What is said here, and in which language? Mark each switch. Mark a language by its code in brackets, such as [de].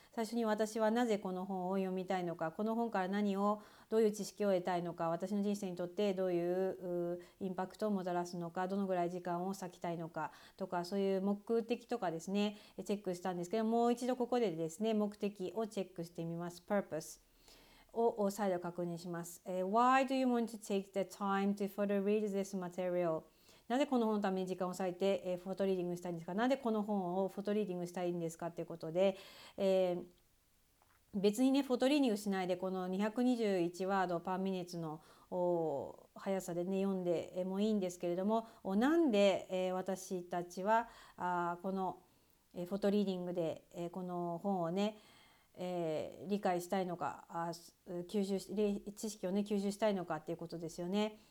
[ja] 最初に、私はなぜこの本を読みたいのか、この本から何を、どういう知識を得たいのか、私の人生にとってどういうインパクトをもたらすのか、どのぐらい時間を割きたいのかとか、そういう目的とかですね、チェックしたんですけど、もう一度ここでですね、目的をチェックしてみます。 Purpose を再度確認します。 [en] Why do you want to take the time to further read this material? [ja] なぜこの本のために時間を割いてフォトリーディングしたいんですか？なぜこの本をフォトリーディングしたいんですかっていうことで、別にね、フォトリーニングしないで、この221ワードパーミニッツの速さでね、読んでもいいんですけれども、なんで私たちはこのフォトリーニングでこの本をね、理解したいのか、吸収し、知識をね、吸収したいのかっていうことですよね。